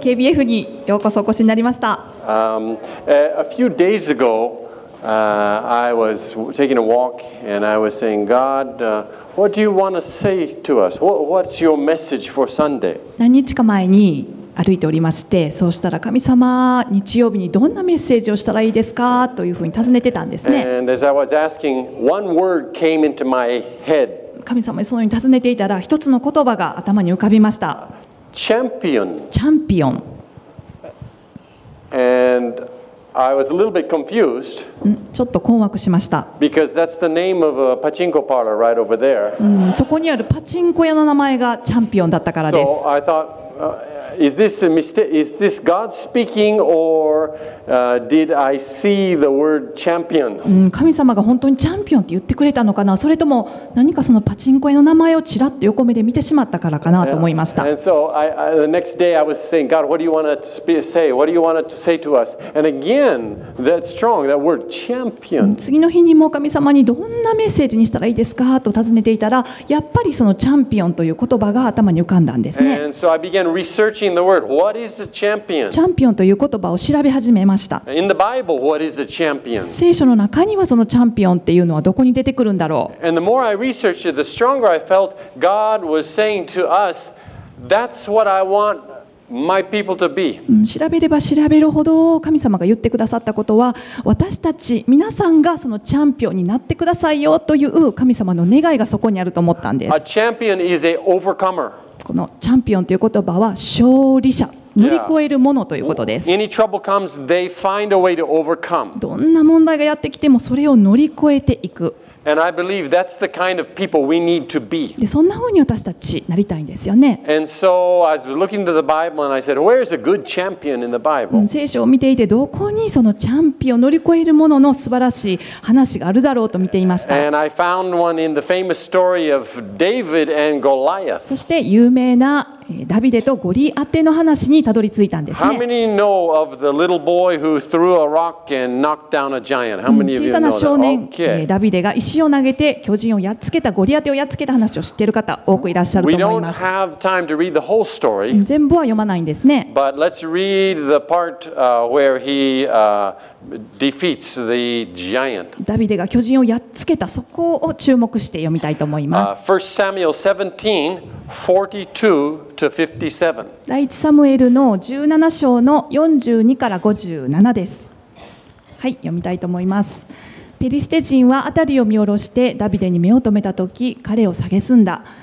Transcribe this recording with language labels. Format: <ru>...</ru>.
<ja>KBF にようこそお越しになりました。</ja> <en>A few days ago, I was taking a walk and I was saying, God, what do you want to say to us? What's your message for Sunday?</en> <ja>何日か前に歩いておりまして、そうしたら神様、日曜日にどんなメッセージをしたらいいですかというふうに尋ねてたんですね。</ja> <en>And as I was asking, one word came into my head.</en> <ja>神様にそのように尋ねていたら、一つの言葉が頭に浮かびました。チャンピオン、チャンピオン。</ja> <en>And I was a little bit confused.</en> <ja>ちょっと困惑しました。</ja> <en>Because that's the name of a pachinko parlor right over there.</en> <ja>そこにあるパチンコ屋の名前がチャンピオンだったからです。</ja> <en>So I thought, is this a mistake? Is this God speaking or did I see the word champion?</en> <ja>神様が本当にチャンピオンって言ってくれたのかな、それとも何かそのパチンコ屋の名前をちらっと横目で見てしまったからかなと思いました。</ja> <en>And so the next day I was saying, God, what do you want to say? What do you want to say to us? And again, that strong, that word champion.</en> <ja>次の日にも神様にどんなメッセージにしたらいいですかと尋ねていたら、やっぱりそのチャンピオンという言葉が頭に浮かんだんですね。</ja> <en>And so I began researching the word. What is a champion?</en> <ja>チャンピオンという言葉を調べ始めました。</ja> <en>In the Bible, what is a champion?</en> <ja>聖書の中にはそのチャンピオンっていうのはどこに出てくるんだろう。</ja> <en>And the more I researched it, the stronger I felt God was saying to us, that's what I want my people to be.</en> <ja>調べれば調べるほど神様が言ってくださったことは、私たち皆さんがそのチャンピオンになってくださいよという神様の願いがそこにあると思ったんです。</ja> <en>A champion is an overcomer.</en> <ja>このチャンピオンという言葉は勝利者、乗り越えるものということです。</ja> <en>Any trouble comes, they find a way to overcome.</en> <ja>どんな問題がやってきてもそれを乗り越えていく。</ja> <en>And I believe that's the kind of people we need to be.</en> <ja>でそんな風に私たちなりたいんですよね。</ja> <en>And so I was looking to the Bible and I said, where's a good champion in the Bible?</en> <ja>聖書を見ていて、どこにそのチャンピオン、乗り越えるものの素晴らしい話があるだろうと見ていました。</ja> <en>And I found one in the famous story of David and Goliath.</en> <ja>そして有名なダビデとゴリアテの話にたどり着いたんですね。</ja> <en>How many know of the little boy who threw a rock and knocked down a giant? How many of you know?</en> <ja>小さな少年、ダビデが石を投げて巨人をやっつけた、ゴリアテをやっつけた話を知っている方多くいらっしゃると思います。</ja> <en>We don't have time to read the whole story.</en> <ja>全部は読まないんですね。</ja> <en>But let's read the part where he defeats the giant.</en> <ja>ダビデが巨人をやっつけた、そこを注目して読みたいと思います。</ja> <en>1 Samuel 17:42-57.</en> <ja>第一サムエルの17章の42から57です。はい、読みたいと思います。ペリシテ人は辺りを見下ろしてダビデに目を留めたとき、彼を蔑んだ。</ja>